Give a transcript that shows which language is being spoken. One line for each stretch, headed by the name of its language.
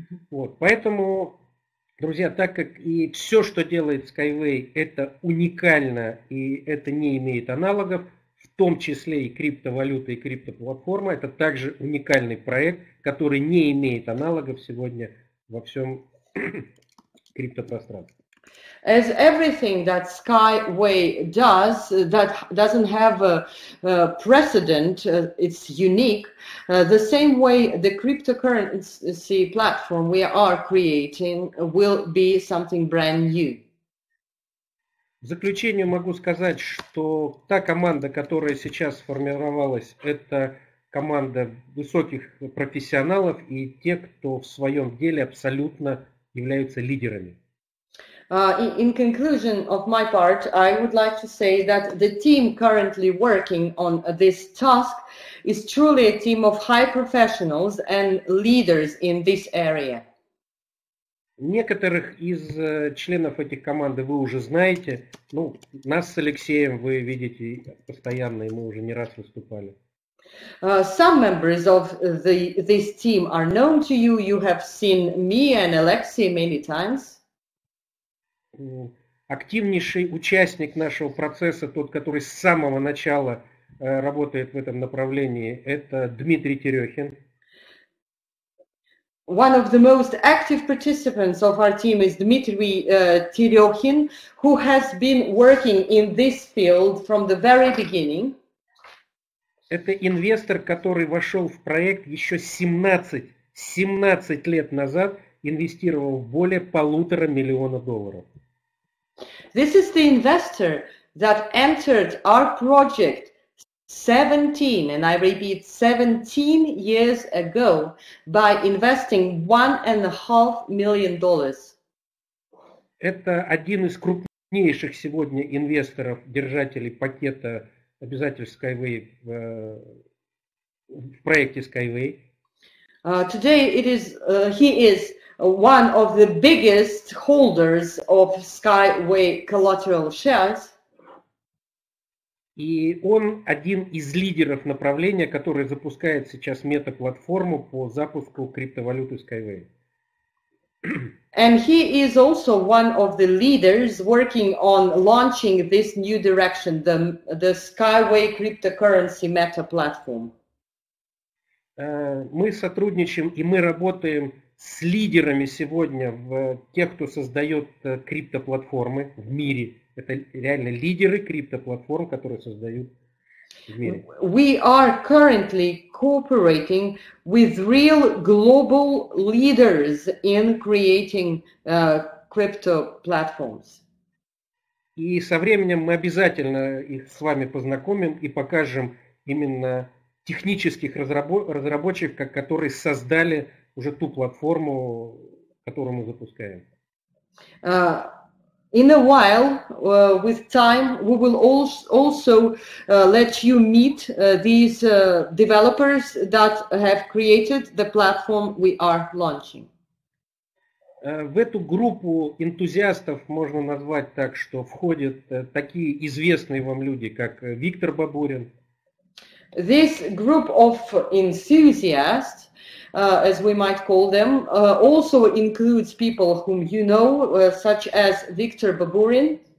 Russian: Вот, поэтому, друзья, так как и все, что делает Skyway, это уникально и это не имеет аналогов, в том числе и криптовалюта, и криптоплатформа, это также уникальный проект, который не имеет аналогов сегодня во всем криптопространстве.
English: As everything that Skyway does that doesn't have a precedent, it's unique. The same way the cryptocurrency platform we are creating will be something brand new.
Russian: В заключение могу сказать, что та команда, которая сейчас сформировалась, это команда высоких профессионалов и тех, кто в своем деле абсолютно являются лидерами.
English: In conclusion of my part, I would like to say that the team currently working on this task is truly a team of high professionals and leaders in this area.
Russian: Некоторых из членов этих команды вы уже знаете. Ну, нас с Алексеем вы видите постоянно, и мы уже не раз выступали.
English: Some members of this team are known to you. You have seen me and Alexey many times.
Russian: Активнейший участник нашего процесса, тот, который с самого начала работает в этом направлении, это Дмитрий Терехин.
English: One of the most active participants of our team is Dmitry Terekhin, who has been working in this field from the very beginning.
Russian: Это инвестор, который вошел в проект еще 17 лет назад, инвестировал более полутора миллиона долларов.
English: This is the investor that entered our project 17, and I repeat, 17 years ago by investing $1.5 million.
Russian: Это один из крупнейших сегодня инвесторов, держателей пакета обязательств Skyway в проекте Skyway.
English: Today it is he is one of the biggest holders of Skyway collateral shares.
Russian: И он один из лидеров направления, который запускает сейчас мета-платформу по запуску криптовалюты Skyway.
English: And he is also one of the leaders working on launching this new direction, the Skyway cryptocurrency meta-platform.
Russian: Мы сотрудничаем и мы работаем с лидерами сегодня в тех, кто создает криптоплатформы в мире. Это реально лидеры криптоплатформ, которые создают в мире.
English: We are currently cooperating with real global leaders in creating crypto platforms.
Russian: И со временем мы обязательно их с вами познакомим и покажем именно технических разработчиков, которые создали уже ту платформу, которую мы запускаем.
English: In a while, with time, we will also let you meet these developers that have created the platform we are launching.
Russian: В эту группу энтузиастов можно назвать так, что входят такие известные вам люди, как Виктор Бабурин.
English: This group of enthusiasts, as we might call them, also includes people whom you know, such as Viktor Baburin,